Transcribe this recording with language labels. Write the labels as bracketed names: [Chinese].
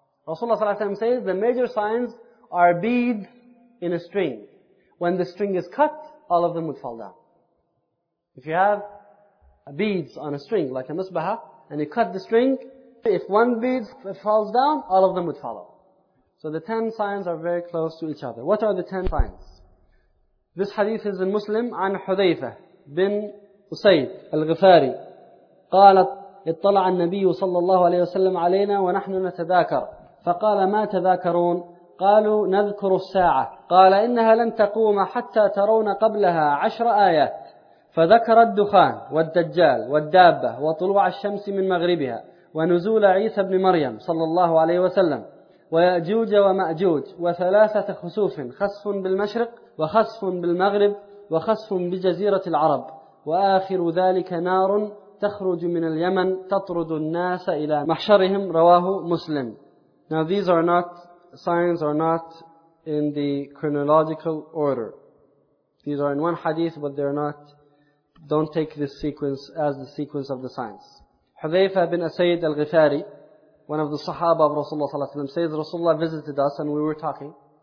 [English] رسول الله صلى الله عليه وسلم says the major signs are beads in a string. When the string is cut, all of them would fall down. If you have beads on a string like a misbaha and you cut the string, if one bead falls down, all of them would follow. So the 10 signs are very close to each other. What are the 10 signs? [Arabic] This hadith is in Muslim, عن حذيفة بن أسيد الغفاري قالت اطلع النبي صلى الله عليه وسلم علينا ونحن نتذاكر فقال ما تذاكرون قالوا نذكر الساعة قال إنها لن تقوم حتى ترون قبلها 10 آيات فذكر الدخان والدجال والدابة وطلوع الشمس من مغربها ونزول عيسى بن مريم صلى الله عليه وسلم ويأجوج ومأجوج وثلاثة خسوف خسف بالمشرق وخسف بالمغرب وخسف بجزيرة العرب وآخر ذلك نار تخرج من اليمن تطرد الناس إلى محشرهم رواه مسلم. [English] Now these are not signs, are not in the chronological order. These are in one hadith, but they're not. Don't take this sequence as the sequence of the signs. Hudhayfa bin Asayd al-Ghifari, one of the Sahaba of Rasulullah sallallahu alaihi wasallam, says Rasulullah visited us and we were talking.